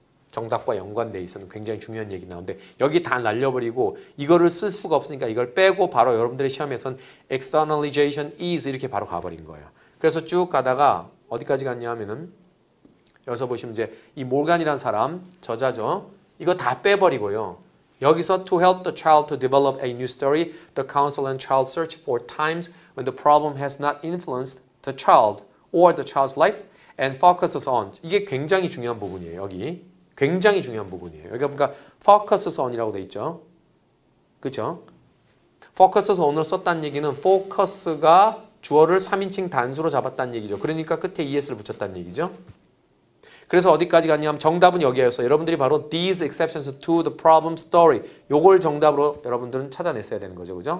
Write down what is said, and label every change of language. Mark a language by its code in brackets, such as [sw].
[ko] 정답과 연관돼 있어서 굉장히 중요한 얘기 나오는데 여기 다 날려버리고 이거를 쓸 수가 없으니까 이걸 빼고 바로 여러분들의 시험에선 [en] Externalization is [ko] 이렇게 바로 가버린 거예요. 그래서 쭉 가다가 어디까지 갔냐면은 여기서 보시면 이제 이 몰간이라는 사람 저자죠. 이거 다 빼버리고요. 여기서 [en] to help the child to develop a new story, the counselor and child search for times when the problem has not influenced the child or the child's life and focuses on. [ko] 이게 굉장히 중요한 부분이에요, 여기. 굉장히 중요한 부분이에요. 여기 보니까 focuses on이라고 돼 있죠. 그렇죠? focuses on을 썼다는 얘기는 focus가 주어를 3인칭 단수로 잡았다는 얘기죠. 그러니까 끝에 es를 붙였다는 얘기죠. 그래서 어디까지 갔냐면 정답은 여기에서 여러분들이 바로 [en] these exceptions to the problem story [ko] 요걸 정답으로 여러분들은 찾아냈어야 되는 거죠. 그죠?